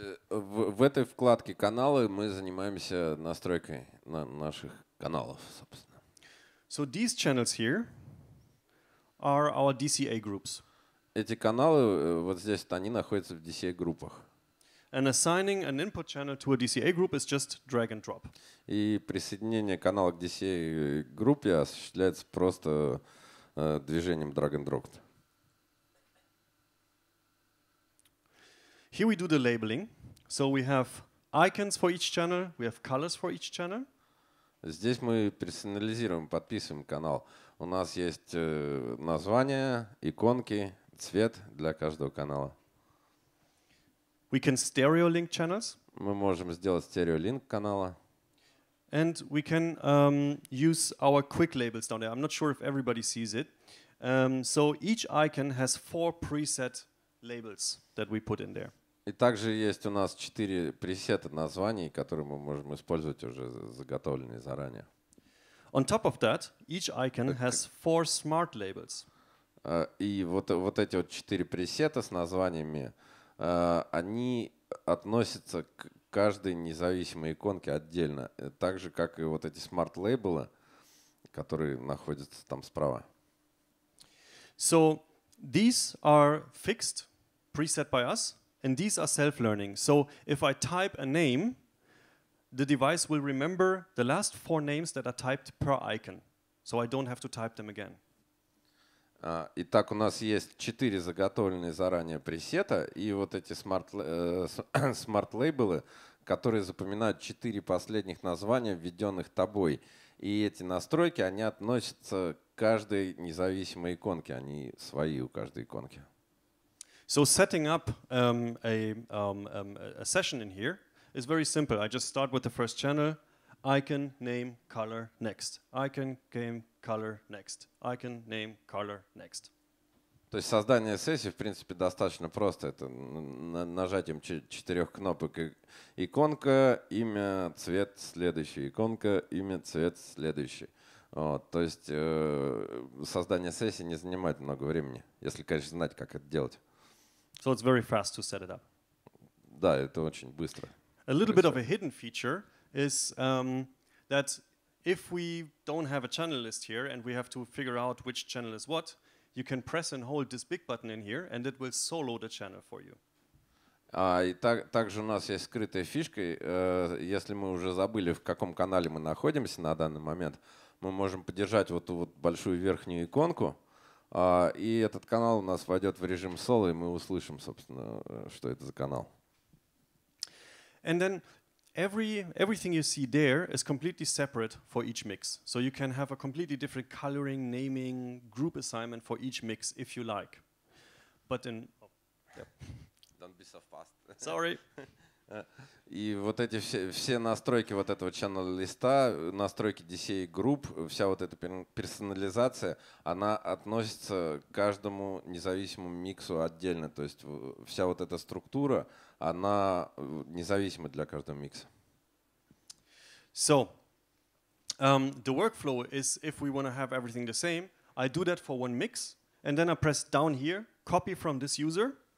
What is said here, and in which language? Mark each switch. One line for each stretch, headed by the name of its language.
Russian: в этой вкладке каналы мы занимаемся настройкой наших каналов, собственно.
English: So these channels here are our DCA groups.
Russian: Эти каналы вот здесь, они находятся в DCA группах.
English: And assigning an input channel to a DCA group is just drag and drop.
Russian: И присоединение канала к DCA группе осуществляется просто движением drag and drop.
English: Here we do the labeling. So we have icons for each channel, we have colors for each channel.
Russian: Здесь мы персонализируем, подписываем канал. У нас есть название, иконки, цвет для каждого канала.
English: We can stereo link channels.
Russian: Мы можем сделать стерео линк канала.
English: And we can use our quick labels down there. I'm not sure if everybody sees it. So each icon has four preset labels that we put in there.
Russian: И также есть у нас четыре пресета названий, которые мы можем использовать уже заготовленные заранее.
English: On top of that, each icon has four smart labels.
Russian: И вот эти вот четыре пресета с названиями, они относятся к каждой независимой иконке отдельно, так же как и вот эти smart labels, которые находятся там справа.
English: So these are fixed preset by us. And these are self-learning. So if I type a name, the device will remember the last four names that are typed per icon. So I don't have to type them again.
Russian: Итак, у нас есть четыре заготовленные заранее пресета и вот эти смарт-лейблы, которые запоминают четыре последних названия, введенных тобой. И эти настройки, они относятся к каждой независимой иконке. Они свои у каждой иконки.
English: So setting up a session in here is very simple. I just start with the first channel, icon, name, color, next. Icon, name, color, next. Icon, name, color, next.
Russian: То есть создание сессии, в принципе, достаточно просто. Это нажатием четырех кнопок. Иконка, имя, цвет, следующий. Иконка, имя, цвет, следующий. Вот. То есть создание сессии не занимает много времени, если, конечно, знать, как это делать.
English: So it's very fast to set it up.
Russian: Да, это очень быстро.
English: A little bit of a hidden feature is that if we don't have a channel list here and we have to figure out which channel is what, you can press and hold this big button in here and it will solo the channel for you.
Russian: Также у нас есть скрытая фишка. Если мы уже забыли, в каком канале мы находимся на данный момент, мы можем подержать вот ту вот большую верхнюю иконку, и этот канал у нас войдет в режим соло, и мы услышим, собственно, что это за канал.
English: And then everything you see there is completely separate for each mix. So you can have a completely different coloring, naming, group assignment for each mix if you like. But in Don't be so fast. Sorry.
Russian: И вот эти все настройки вот этого channel-листа, настройки DCA групп, вся вот эта персонализация, она относится к каждому независимому миксу отдельно. То есть вся вот эта структура, она независима для каждого микса.
English: So, the workflow is, if we want to have everything the same, I do that for one mix, and then I press down here, copy from this user.